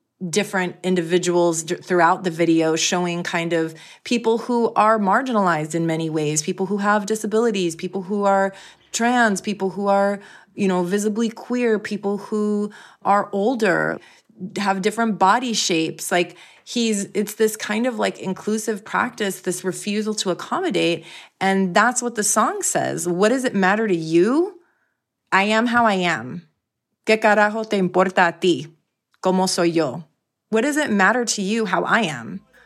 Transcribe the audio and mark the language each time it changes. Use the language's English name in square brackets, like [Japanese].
[English] different individuals throughout the video, showing kind of people who are marginalized in many ways, people who have disabilities, people who are trans, people who are, you know, visibly queer, people who are older, have different body shapes. Like, it's this kind of like inclusive practice, this refusal to accommodate. And that's what the song says. What does it matter to you? I am how I am. [Spanish] ¿Qué carajo te importa a ti? ¿Cómo soy yo? [English] What does it matter to you how I am?